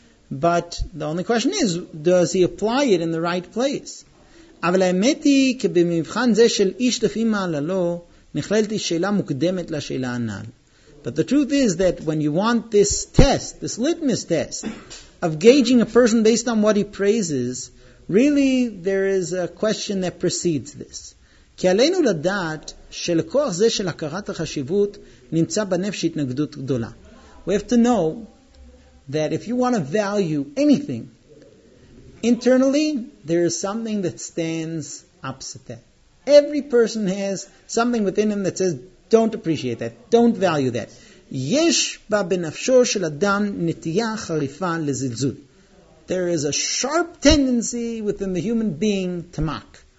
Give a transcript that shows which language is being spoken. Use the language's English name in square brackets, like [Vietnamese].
[English] But the only question is, does he apply it in the right place? [Hebrew] אבל האמת היא, כבמבחן זה של איש לפי מעללו, נכללתי שאלה מוקדמת לשאלה הנ"ל. [English] But the truth is that when you want this test, this litmus test, of gauging a person based on what he praises, really there is a question that precedes this. [Hebrew] כי עלינו לדעת שלכוח זה של הכרת החשיבות נמצא בנפש התנגדות גדולה. [English] We have to know that if you want to value anything, internally, there is something that stands opposite that. Every person has something within him that says, don't appreciate that, don't value that. [Hebrew] יש בה בנפשו של אדם נטייה חריפה לזלזול. [English] There is a sharp tendency within the human being to mock.